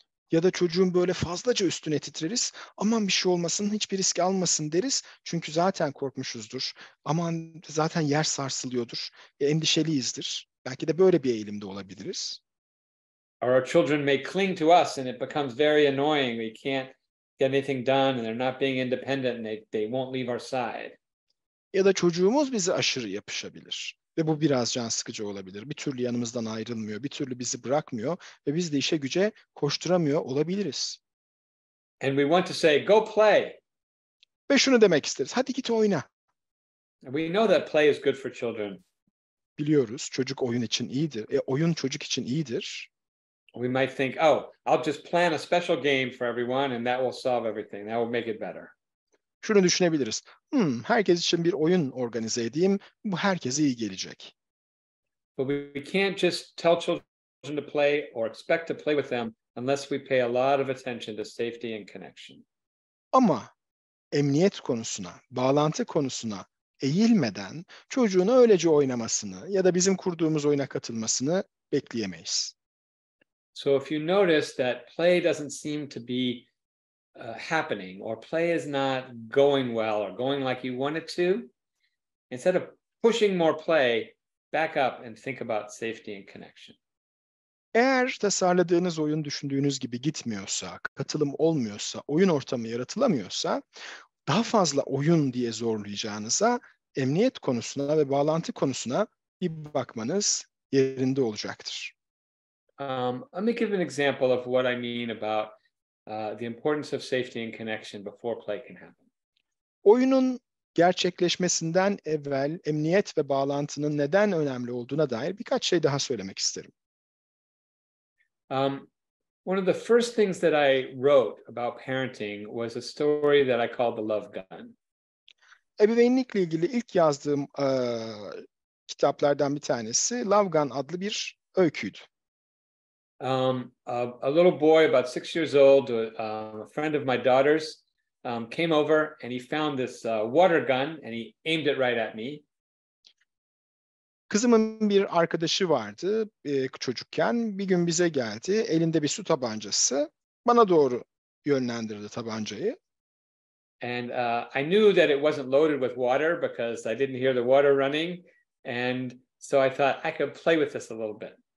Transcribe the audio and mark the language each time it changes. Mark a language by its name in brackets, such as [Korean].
[Turkish] Ya da çocuğun böyle fazlaca üstüne titreriz. Aman bir şey olmasın, hiçbir risk almasın deriz. Çünkü zaten korkmuşuzdur. Aman zaten yer sarsılıyordur. Endişeliyizdir. Belki de böyle bir eğilimde olabiliriz. [English] Our children may cling to us and it becomes very annoying. We can't get anything done and they're not being independent and they won't leave our side. [Turkish] Ya da çocuğumuz bize aşırı yapışabilir. Ve bu biraz can sıkıcı olabilir. Bir türlü yanımızdan ayrılmıyor, bir türlü bizi bırakmıyor ve biz de işe güce koşturamıyor olabiliriz. [English] And we want to say, go play. [Turkish] Ve şunu demek isteriz, hadi git oyna. [English] We know that play is good for children. [Turkish] biliyoruz. Çocuk oyun için iyidir. E, oyun çocuk için iyidir. [English] We might think, oh, I'll just plan a special game for everyone and that will solve everything. That will make it better. [Turkish] Şunu düşünebiliriz. Hmm, herkes için bir oyun organize edeyim. Bu herkese iyi gelecek. [English] But we can't just tell children to play or expect to play with them unless we pay a lot of attention to safety and connection. [Turkish] Ama emniyet konusuna, bağlantı konusuna eğilmeden çocuğun öylece oynamasını ya da bizim kurduğumuz oyuna katılmasını bekleyemeyiz. [English] So if you notice that play doesn't seem to be happening or play is not going well or going like you want it to, instead of pushing more play, back up and think about safety and connection. [Turkish] Eğer tasarladığınız oyun düşündüğünüz gibi gitmiyorsa, katılım olmuyorsa, oyun ortamı yaratılamıyorsa, daha fazla oyun diye zorlayacağınıza emniyet konusuna ve bağlantı konusuna bir bakmanız yerinde olacaktır. [English] Let me give an example of what I mean about the importance of safety and connection before play can happen. [Turkish] Oyunun gerçekleşmesinden evvel emniyet ve bağlantının neden önemli olduğuna dair birkaç şey daha söylemek isterim. [English] One of the first things that I wrote about parenting was a story that I called The Love Gun. [Turkish] Ebeveynlikle ilgili ilk yazdığım kitaplardan bir tanesi Love Gun adlı bir öyküydü. [English] A little boy about 6 years old, a friend of my daughter's, came over and he found this water gun and he aimed it right at me. [Turkish] Kızımın bir arkadaşı vardı çocukken. Bir gün bize geldi, elinde bir su tabancası. Bana doğru yönlendirdi tabancayı. [English] And I knew that it wasn't loaded with water because I didn't hear the water running. And so I thought I could play with this a little bit.